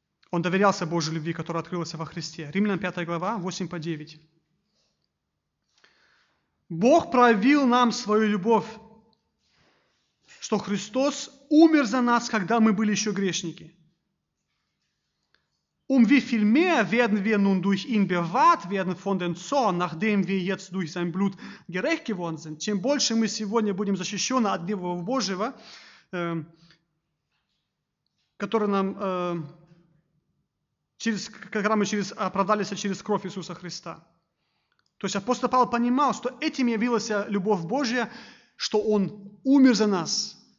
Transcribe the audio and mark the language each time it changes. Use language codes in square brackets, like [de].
[ru] Он доверялся Божьей любви, которая открылась во Христе. Римлянам 5 глава, 8 по 9. Бог проявил нам свою любовь, что Христос умер за нас, когда мы были еще грешники. [de] Um wie viel mehr werden wir nun durch ihn bewahrt werden von den Zorn, nachdem wir jetzt durch sein Blut gerecht geworden sind. [ru] Чем больше мы сегодня будем защищены от гнева Божьего, который нам... когда мы оправдались через кровь Иисуса Христа. То есть апостол Павел понимал, что этим явилась любовь Божья, что Он умер за нас.